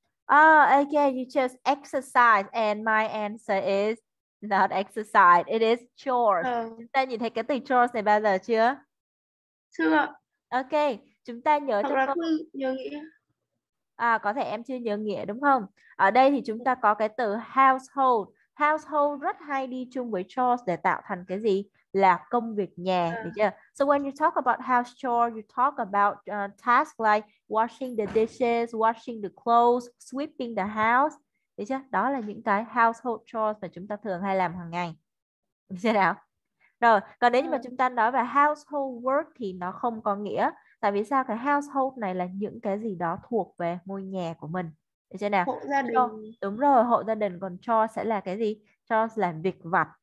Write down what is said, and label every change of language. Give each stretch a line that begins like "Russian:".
English: Oh, okay, you chose exercise and my answer is not exercise. It is chores.
Vietnamese: Chúng ta nhìn thấy cái từ chores này bao giờ chưa? Chưa. Ok, chúng ta nhớ Hoặc cho là cô. cứ nhớ nghĩa. À, có thể em chưa nhớ nghĩa đúng không? Ở đây thì chúng ta có cái từ household. Household rất hay đi chung với chores để tạo thành cái gì? Là công việc nhà, được chưa?
English: So when you talk about house chore, you talk about tasks like washing the dishes, washing the clothes, sweeping the house.
Vietnamese: Được chưa? Đó là những cái household chores mà chúng ta thường hay làm hàng ngày. Được chưa nào? Rồi, còn nếu như mà chúng ta nói về household work thì nó không có nghĩa. Tại vì sao? Cái household này là những cái gì đó thuộc về ngôi nhà của mình. Được chưa nào? Hộ gia Cho, đình. đúng rồi, hộ gia đình. Còn chore sẽ là cái gì? Chore là việc vặt.